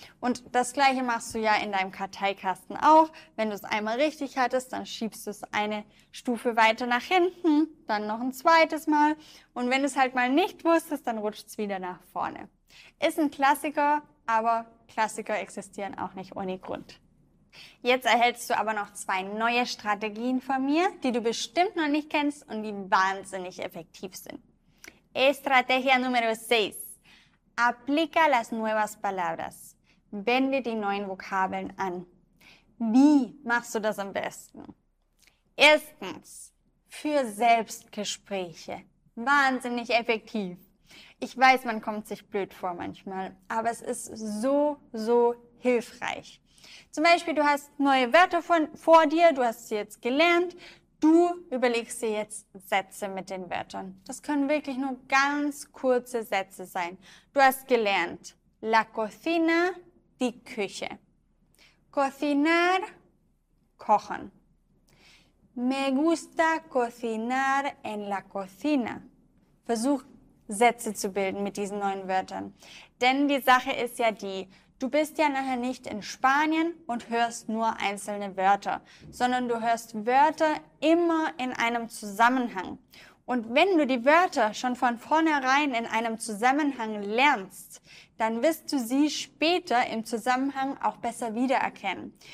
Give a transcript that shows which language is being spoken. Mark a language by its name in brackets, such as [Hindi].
[German] Und das Gleiche machst du ja in deinem Karteikasten auch. Wenn du es einmal richtig hattest, dann schiebst du es eine Stufe weiter nach hinten, dann noch ein zweites Mal und wenn du es halt mal nicht wusstest, dann rutscht es wieder nach vorne. Ist ein Klassiker, aber Klassiker existieren auch nicht ohne Grund. Jetzt erhältst du aber noch zwei neue Strategien von mir, die du bestimmt noch nicht kennst und die wahnsinnig effektiv sind. [Spanish] Estrategia número 6. Aplica las nuevas palabras. [German] Wende die neuen Vokabeln an. Wie machst du das am besten? Erstens, für Selbstgespräche. Wahnsinnig effektiv. Ich weiß, man kommt sich blöd vor manchmal, aber es ist so, so hilfreich. Zum Beispiel, du hast neue Wörter vor dir, du hast sie jetzt gelernt, du überlegst dir jetzt Sätze mit den Wörtern. Das können wirklich nur ganz kurze Sätze sein. Du hast gelernt, [Spanish] la cocina, [German] die Küche. [Spanish] Cocinar, kochen. Me gusta cocinar en la cocina. [German] Versuch, Sätze zu bilden mit diesen neuen Wörtern. Denn die Sache ist ja die, du bist ja nachher nicht in Spanien und hörst nur einzelne Wörter, sondern du hörst Wörter immer in einem Zusammenhang. Und wenn du die Wörter schon von vornherein in einem Zusammenhang lernst, dann wirst du sie später im Zusammenhang auch besser wiedererkennen.